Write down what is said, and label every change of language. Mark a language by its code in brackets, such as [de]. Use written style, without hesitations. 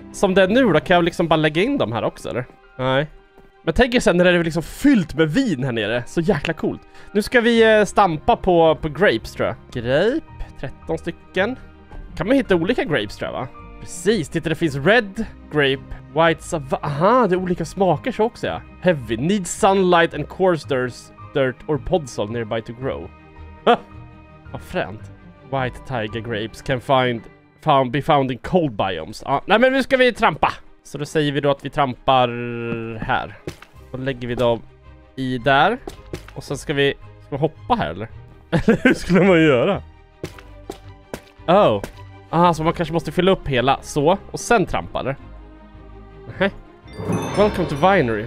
[sv] Som det är nu då, kan jag liksom bara lägga in dem här också, eller? Nej. Men tänk er sen när det är liksom fyllt med vin här nere. Så jäkla coolt. Nu ska vi stampa på grapes, tror jag. Grape, 13 stycken. Kan man hitta olika grapes, tror jag, va? Precis, titta, det finns red grape, white, aha, det är olika smaker så också, ja. [en] Heavy, need sunlight and coarse dirt or podzol nearby to grow. Ha! [sv] Vad fränt. [en] White tiger grapes can be found in cold biomes. [sv] Ah, nej, men nu ska vi trampa. Så då säger vi då att vi trampar här. Då lägger vi dem i där. Och sen ska vi hoppa här, eller? Eller hur skulle man göra? Oh. Ah, så man kanske måste fylla upp hela så. Och sen trampa, eller? Nej. [en] Welcome to Winery.